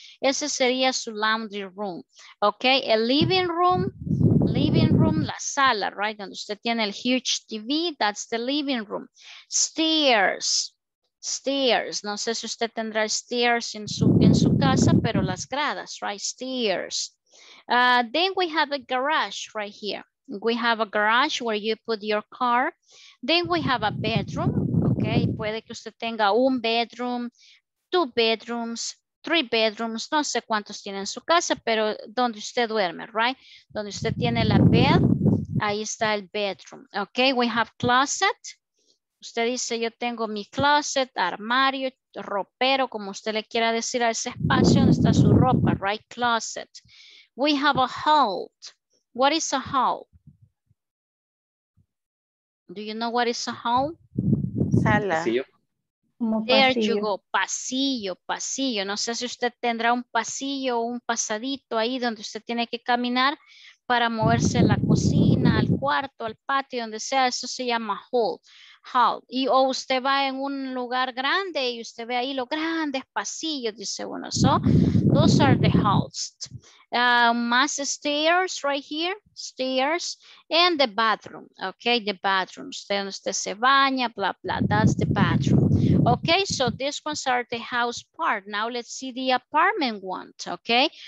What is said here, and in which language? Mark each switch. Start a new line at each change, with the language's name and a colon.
Spanish: Ese sería su laundry room, okay? El living room, la sala, right, donde usted tiene el huge TV,
English: that's the living room. Stairs.
Spanish: Stairs, no sé si usted tendrá stairs en su casa, pero las gradas, right?
English: Stairs. Then we have a garage right here. We have a garage where you put your car. Then we have a bedroom, okay?
Spanish: Puede que usted tenga un bedroom, two bedrooms, three bedrooms, no sé cuántos tiene en su casa, pero donde usted duerme, right? Donde usted tiene la bed, ahí está el bedroom, okay?
English: We have closet.
Spanish: Usted dice, yo tengo mi closet, armario, ropero, como usted le quiera decir a ese espacio donde está su ropa, right?
English: Closet. We have a hall. What is a hall? Do you know what is a hall?
Spanish: Sala.
English: There you go. Pasillo, pasillo.
Spanish: No sé si usted tendrá un pasillo o un pasadito ahí donde usted tiene que caminar para moverse a la cocina, al cuarto, al patio, donde sea. Eso se llama hall. Hall. Y o usted va en un lugar grande y usted ve ahí los grandes pasillos, dice uno.
English: So, those are the halls. Más stairs right here, stairs, and the bathroom, okay, the bathroom.
Spanish: Usted se baña, blah, blah,
English: that's the bathroom. Okay, so these ones are the house part. Now let's see the apartment one, okay?